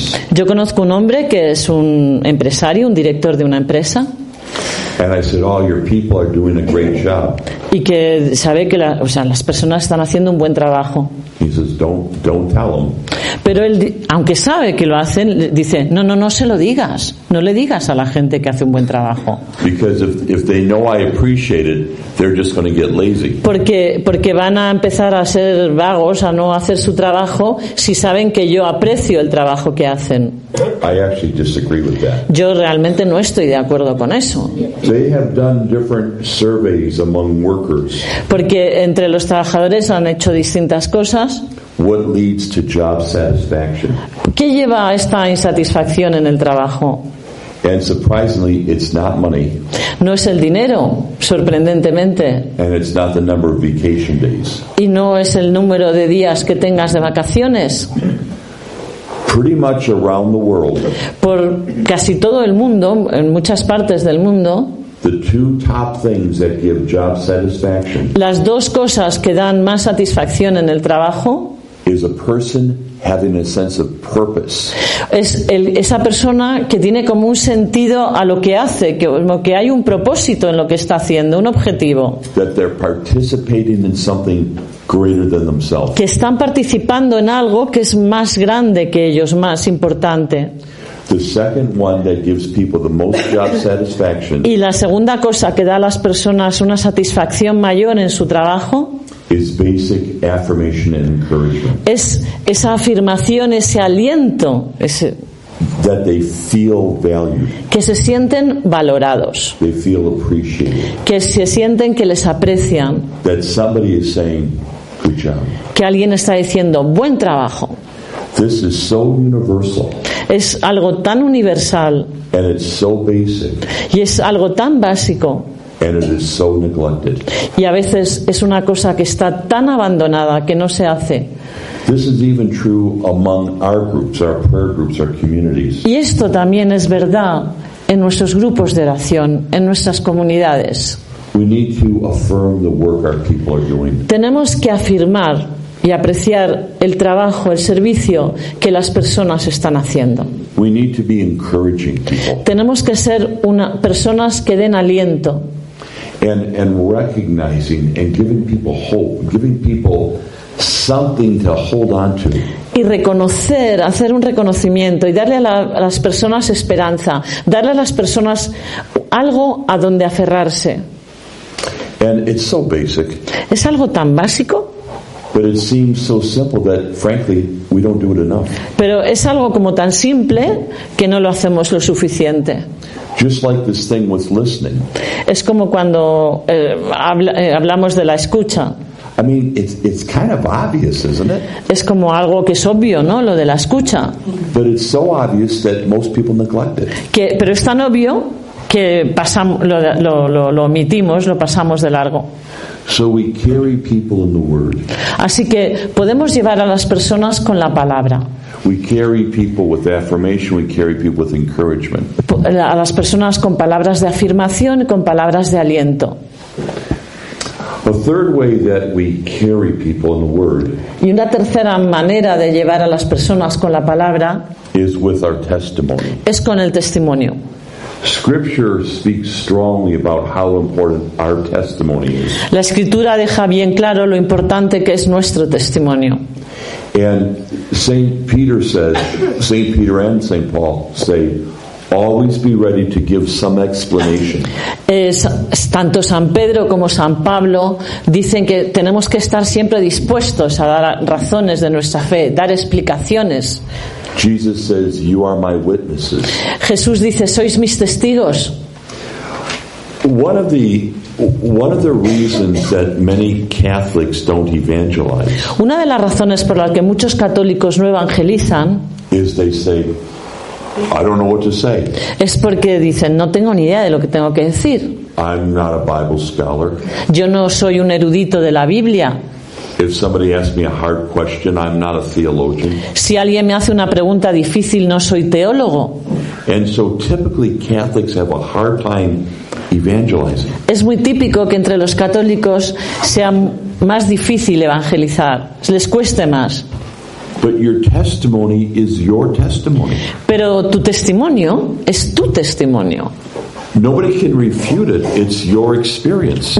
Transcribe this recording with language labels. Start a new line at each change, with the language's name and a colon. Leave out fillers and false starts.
Spanish: Yo conozco un hombre que es un empresario, un director de una empresa.
English: And I said, "Oh, your people are doing a great job."
Spanish: Y que sabe que las personas están haciendo un buen trabajo.
English: He says, "Don't tell them."
Spanish: Pero él, aunque sabe que lo hacen, dice, no se lo digas. No le digas a la gente que hace un buen trabajo.
English: Because if they know I appreciate it, they're just going to get lazy.
Spanish: Porque van a empezar a ser vagos, a no hacer su trabajo, si saben que yo aprecio el trabajo que hacen.
English: I actually disagree with that.
Spanish: Yo realmente no estoy de acuerdo con eso.
English: They have done different surveys among workers.
Spanish: Porque entre los trabajadores han hecho distintas cosas.
English: What leads to job satisfaction?
Spanish: ¿Qué lleva a esta insatisfacción en el trabajo?
English: And surprisingly, it's not money.
Spanish: No es el dinero, sorprendentemente.
English: And it's not the number of vacation days.
Spanish: Y no es el número de días que tengas de vacaciones.
English: Pretty much around the world.
Spanish: Por casi todo el mundo, en muchas partes del mundo.
English: The two top things that give job satisfaction.
Spanish: Las dos cosas que dan más satisfacción en el trabajo.
English: Is a person having a sense of purpose.
Spanish: Es el, esa persona que tiene como un sentido a lo que hace, que, como que hay un propósito en lo que está haciendo, un objetivo.
English: That they're participating in something greater than themselves.
Spanish: Que están participando en algo que es más grande que ellos, más importante.
English: The second one that gives people the most job satisfaction.
Spanish: Y la segunda cosa que da a las personas una satisfacción mayor en su trabajo.
English: Is basic affirmation and encouragement.
Spanish: Es esa afirmación, ese aliento, ese.
English: That they feel valued.
Spanish: Que se sienten valorados.
English: They feel appreciated.
Spanish: Que se sienten que les aprecian.
English: That somebody is saying, good job.
Spanish: Que alguien está diciendo, buen trabajo.
English: This is so universal.
Spanish: Es algo tan universal.
English: And it's so basic.
Spanish: Y es algo tan básico.
English: And it is so neglected.
Spanish: Y a veces es una cosa que está tan abandonada que no se hace.
English: This is even true among our groups, our prayer groups, our communities.
Spanish: Y esto también es verdad en nuestros grupos de oración, en nuestras comunidades.
English: We need to affirm the work our people are doing.
Spanish: Tenemos que afirmar y apreciar el trabajo, el servicio que las personas están haciendo.
English: We need to be encouraging people.
Spanish: Tenemos que ser una, personas que den aliento.
English: And recognizing and giving people hope, giving people something to hold on to.
Spanish: Y reconocer, hacer un reconocimiento y darle a, la, a las personas esperanza, darle a las personas algo a donde aferrarse.
English: And it's so basic.
Spanish: Es algo tan básico.
English: But it seems so simple that, frankly, we don't do it enough.
Spanish: Pero es algo como tan simple que no lo hacemos lo suficiente.
English: Just like this thing with listening.
Spanish: Es como cuando hablamos de la escucha.
English: I mean, it's kind of obvious, isn't it?
Spanish: Es como algo que es obvio, ¿no? Lo de la escucha.
English: But it's so obvious that most people neglect it.
Spanish: Que, pero es tan obvio que pasamos, lo omitimos, lo pasamos de largo.
English: So we carry people in the word.
Spanish: Así que podemos llevar a las personas con la palabra.
English: We carry people with affirmation, we carry people with encouragement.
Spanish: A las personas con palabras de afirmación y con palabras de aliento.
English: A third way that we carry people in the word.
Spanish: Y una tercera manera de llevar a las personas con la palabra
English: is with our testimony.
Spanish: Es con el testimonio.
English: Scripture speaks strongly about how important our testimony is.
Spanish: La escritura deja bien claro lo importante que es nuestro testimonio.
English: And Saint Peter says, Saint Peter and Saint Paul say, always be ready to give some explanation.
Spanish: Tanto San Pedro como San Pablo dicen que tenemos que estar siempre dispuestos a dar razones de nuestra fe, dar explicaciones.
English: Jesus says, "You are my witnesses."
Spanish: Jesús dice, "Sois mis testigos."
English: One of the reasons that many Catholics don't evangelize.
Spanish: Una de las razones por las que muchos católicos no evangelizan.
English: Is they say, "I don't know what to say."
Spanish: Es porque dicen, "No tengo ni idea de lo que tengo que decir."
English: I'm not a Bible scholar.
Spanish: Yo no soy un erudito de la Biblia.
English: If somebody asks me a hard question, I'm not a theologian.
Spanish: Si alguien me hace una pregunta difícil, no soy teólogo.
English: And so typically Catholics have a hard time evangelizing.
Spanish: Es muy típico que entre los católicos sea más difícil evangelizar, les cueste más.
English: But your testimony is your testimony.
Spanish: Pero tu testimonio es tu testimonio.
English: Nobody can refute it. It's your experience.